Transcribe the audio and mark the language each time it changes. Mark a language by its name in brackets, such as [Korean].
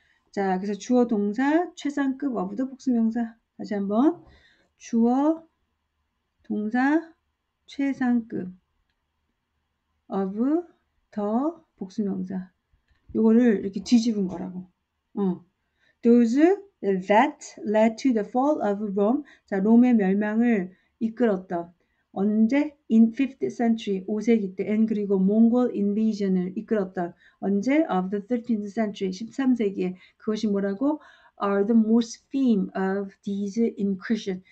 [Korean] 자, 그래서 주어 동사 최상급 of 더 복수 명사. 다시 한번 주어 동사 최상급 of 더 복수 명사. 요거를 이렇게 뒤집은 거라고. [English] Those that led to the fall of Rome. [Korean] 자, 롬의 멸망을 이끌었던 언제? [English] In 5th century, [Korean] 5세기 때, and 그리고 몽골 인베이션을 이끌었던 언제? [English] Of the 13th century, [Korean] 13세기에 그것이 뭐라고? [English] Are the most famous of these incursion.